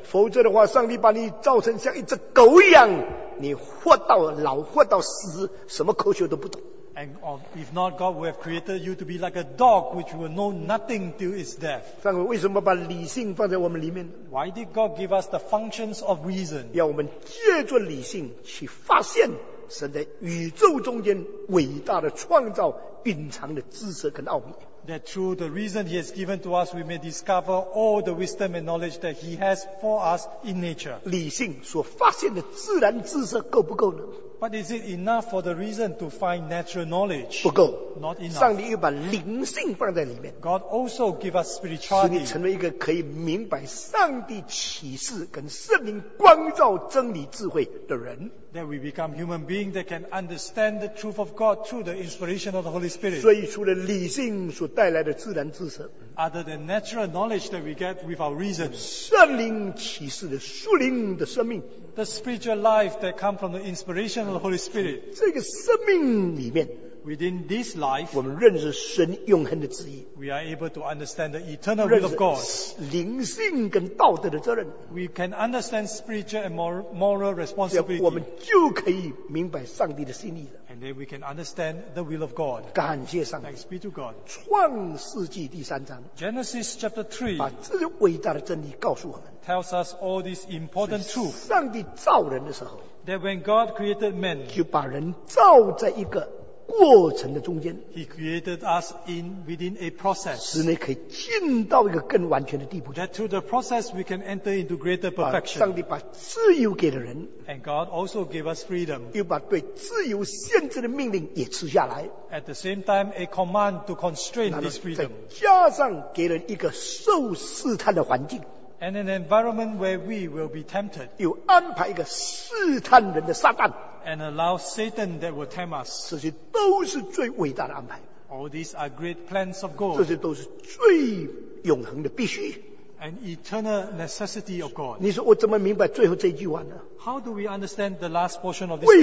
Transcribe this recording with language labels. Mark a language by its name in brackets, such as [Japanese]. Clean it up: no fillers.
[Chinese] 否则的话，上帝把你造成像一只狗一样，你活到老，活到死，什么科学都不懂。 [English] And if not, God will have created you to be like a dog, which will know nothing till its death. [Chinese] 上帝为什么把理性放在我们里面？ [English] Why did God give us the functions of reason? [Chinese] 要我们借助理性去发现神在宇宙中间伟大的创造隐藏的知识跟奥秘。 [English] That through the reason He has given to us, we may discover all the wisdom and knowledge that He has for us in nature. [Chinese] 理性所发现的自然知识够不够呢？ [English] But is it enough for the reason to find natural knowledge? [Chinese] 不够, [English] not enough. [Chinese] 上帝又把灵性放在里面, [English] God also give us spirituality. [Chinese] 使你成为一个可以明白上帝启示跟圣灵光照真理智慧的人, [English] that we become human beings that can understand the truth of God through the inspiration of the Holy Spirit. [Chinese] 所以除了理性所带来的自然知识, [English] other than natural knowledge that we get with our reason, [Chinese] 圣灵启示的属灵的生命, [English] the spiritual life that comes from the inspiration of the Holy Spirit, [Chinese] 这个生命里面, [English] within this life, [Chinese] 我们认识神永恒的旨意, [English] we are able to understand the eternal will of God. [Chinese] 灵性跟道德的责任, [English] we can understand spiritual and moral responsibility. [Chinese] 我们就可以明白上帝的心意了, [English] and then we can understand the will of God. [Chinese] 感谢上帝, [English] thanks be to God. [Chinese] 创世纪第三章, [English] Genesis chapter 3, [Chinese] 把这伟大的真理告诉我们, [English] tells us all this important truth. [Chinese] 上帝造人的时候, [English] that when God created man, [Chinese] 就把人造在一个 过程的中间, [English] he created us in within a process, [Chinese] 使你可以进到一个更完全的地步, [English] that through the process we can enter into greater perfection. [Chinese] 上帝把自由给了人, [English] and God also gave us freedom, [Chinese] 又把对自由限制的命令也吃下来, [English] at the same time a command to constrain this freedom, [Chinese] 加上给人一个受试探的环境, [English] and an environment where we will be tempted, [Chinese] 又安排一个试探人的撒旦, [English] and allow Satan that will tempt us. [Chinese] 这些都是最伟大的安排, [English] all these are great plans of God. [Chinese] 这些都是最永恒的必须, [English] an eternal necessity of God. [Chinese] 你说我怎么明白最后这句话呢? [English] How do we understand the last portion of this statement?